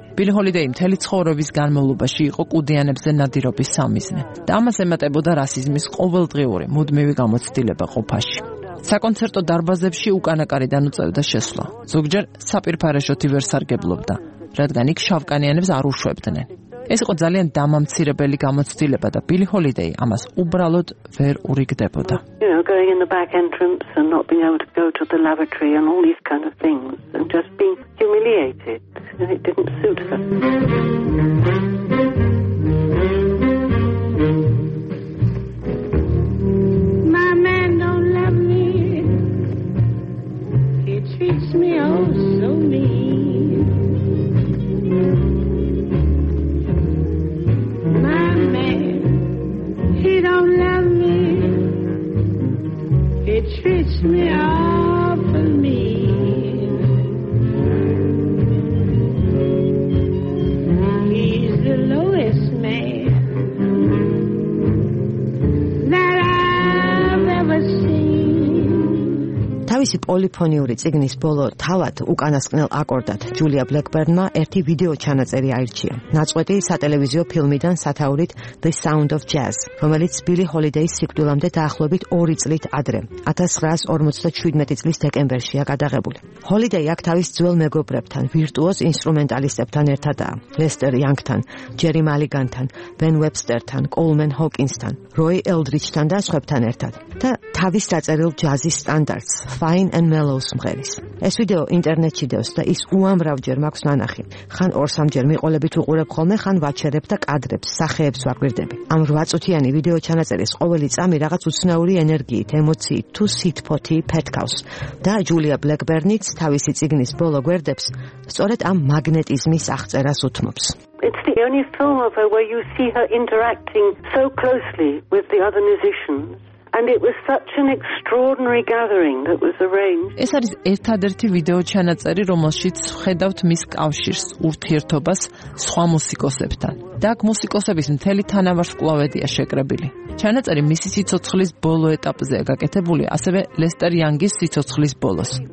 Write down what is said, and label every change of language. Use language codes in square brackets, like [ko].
[ka] ბილი ჰოლიდეი მთელი ცხოვრების განმავლობაში იყო კუდიანებზე ნადირობის სამიზნე და ამას ემატებოდა რასიზმის ყოველდღიური მუდმივი გამოცდილება ყოფაში. საკონცერტო დარბაზებში უკანაკარიდან უწევდა შესვლა. ზოგჯერ საპირფარეშოთი ვერ სარგებლობდა, რადგან იქ შავკანიანებს არ უშვებდნენ. ეს იყო ძალიან დამამცირებელი გამოცდილება და ბილი ჰოლიდეი ამას უბრალოდ ვერ ურიგდებოდა. [en] Going in the back entrance and not being able to go to the lavatory and all these kind of things and just being humiliated, and it didn't suit her. My man don't love me, he treats me oh so mean. My man, he don't love me, he treats me awful mean. He's the lowest man that I've ever seen. [ka] თავისი პოლიფონიური წიგნის ბოლო თავად უკანასკნელ აკორდად ჯულია ბლეკბერნმა ერთი ვიდეო ჩანაწერი აირჩია. ნაწყვეტი სატელევიზიო ფილმიდან სათაურით The Sound of Jazz, რომელიც ბილი ჰოლიდეის სიკვდილამდე დაახლოებით 2 წლით ადრე, 1957 წლის დეკემბერშია გადაღებული. ჰოლიდეი აქ თავის ძველ მეგობრებთან, ვირტუოზ ინსტრუმენტალისტებთან ერთადაა: ლესტერ იანგთან, ჯერი მალიგანთან, ბენ ვებსტერთან, კოლმენ ჰოკინსთან, როი ელდრიჩთან და სხვებთან ერთად. და თავის დაწერილ ჯაზის სტანდარტს Fine and Mellow სიმღერის. ეს ვიდეო ინტერნეტში დევს და ის უამრავჯერ მაქვს ნანახი. ხან 2-3ჯერ მიყოლებით უყურებ ხოლმე, ხან ვაჩერებ და კადრებს, სახეებს ვაკვირდები. ამ 8 წუთიანი ვიდეო ჩანაწერის ყოველი წამი რაღაც უცნაური ენერგიით, ემოციით თუ სითფოთი ფეთქავს. და ჯულია ბლეკბერნიც თავისი წიგნის ბოლო გვერდებს სწორედ ამ მაგნეტიზმის აღწერას უთმობს. [en] It's the only film of her where you see her interacting so closely with the other musicians And it was such an extraordinary gathering that was arranged. [ka] ეს არის ერთადერთი ვიდეო ჩანაწერი, რომელშიც ხედავთ მის კავშირს, ურთიერთობას სხვა მუსიკოსებთან. და აქ მუსიკოსების მთელი თანავარსკვლავედია შეკრებილი. ჩანაწერი მისი სიცოცხლის ბოლო ეტაპზეა გაკეთებული, ასევე ლესტერ იანგის სიცოცხლის ბოლოს.